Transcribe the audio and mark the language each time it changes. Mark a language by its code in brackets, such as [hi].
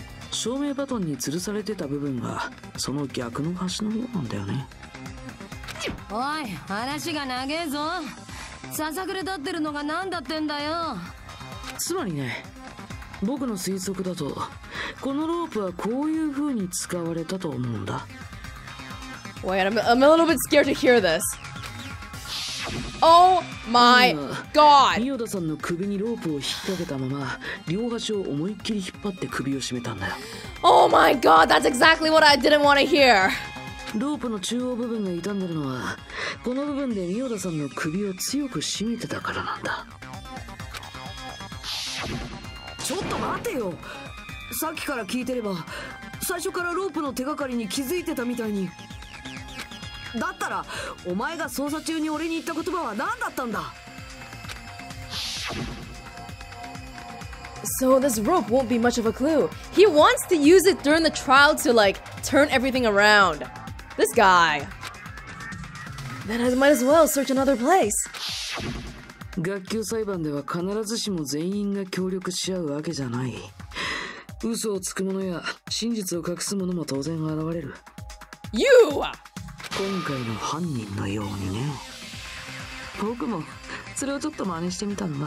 [ja] 照明バトンに吊るされてた部分がその逆の端のようなんだよね。おい、話が長えぞ。ささくれ立ってるのが何だってんだよ。つまりね、僕の推測だとこのロープはこういう風に使われたと思うんだ。 [en] Wait, I'm a little bit scared to hear this. Oh my god! [ja] 仁淀さんの首にロープを引っ掛けたまま、両端を思いっきり引っ張って首を絞めたんだよ。 [en] Oh my god, that's exactly what I didn't want to hear! [ja] ロープの中央部分が傷んでるのは、この部分で仁淀さんの首を強く絞めてたからなんだ。ちょっと待てよ。さっきから聞いてれば、最初からロープの手がかりに気づいてたみたいに。だったらお前が捜査中に俺に言った言葉は何だったんだ。 [en] So this rope won't be much of a clue. He wants to use it during the trial to like turn everything around. This guy. Then I might as well search another place. [ja] 学級裁判では必ずしも全員が協力し合うわけじゃない。嘘をつく者や真実を隠す者も当然現れる。 [en] You！ [ja] 今回の犯人のようにね。僕もそれをちょっと真似してみたんだ。